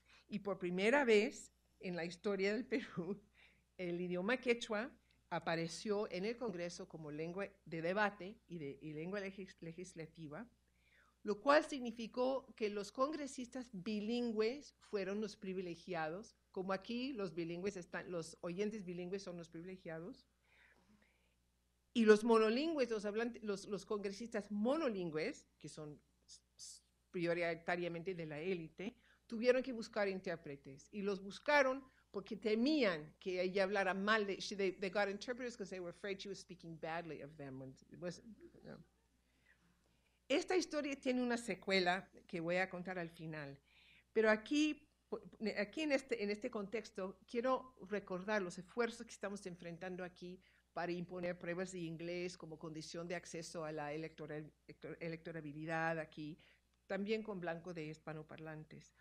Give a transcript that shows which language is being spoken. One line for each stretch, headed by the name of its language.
Spanish: Y por primera vez en la historia del Perú, el idioma quechua apareció en el Congreso como lengua de debate y lengua legislativa, lo cual significó que los congresistas bilingües fueron los privilegiados, como aquí los oyentes bilingües son los privilegiados, y los monolingües, los congresistas monolingües, que son prioritariamente de la élite, tuvieron que buscar intérpretes, y los buscaron porque temían que ella hablara mal.
English: They got interpreters because they were afraid she was speaking badly of them.
Spanish: Esta historia tiene una secuela que voy a contar al final, pero aquí en este contexto quiero recordar los esfuerzos que estamos enfrentando aquí para imponer pruebas de inglés como condición de acceso a la electorabilidad aquí, también con blanco de hispanoparlantes.